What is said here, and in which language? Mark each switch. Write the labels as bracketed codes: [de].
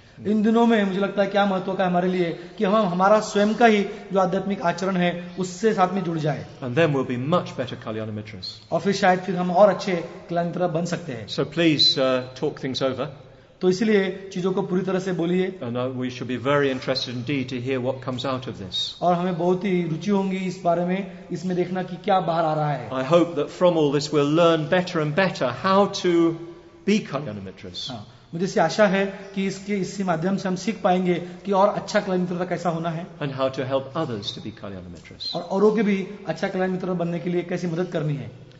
[hi] इन दिनों में मुझे लगता है क्या महत्व का हमारे लिए कि हम हमारा स्वयं का ही जो आध्यात्मिक आचरण है उससे साथ में जुड़ जाए. [en] And then we'll be much better Kalyanamitras. [hi] और फिर शायद फिर हम और अच्छे कल्याणमित्र बन सकते हैं. [en] So please talk things over. [hi] तो इसलिए चीजों को पूरी तरह से बोलिए. [en] And we should be very interested indeed to hear what comes out of this. [hi] और हमें बहुत ही रुचि होंगी इस बारे में इसमें देखना कि क्या बाहर आ रहा है. [en] I hope that from all this we'll learn better and better how to be Kalyanamitras. [hi] मुझे इससे आशा है कि इसके इसी माध्यम से हम सीख पाएंगे कि और अच्छा कल्याणमित्रता कैसा होना है. [en] And how to help others to be Kalyanamitras. [hi] और औरों के भी अच्छा कल्याणमित्र बनने के लिए कैसी मदद करनी है.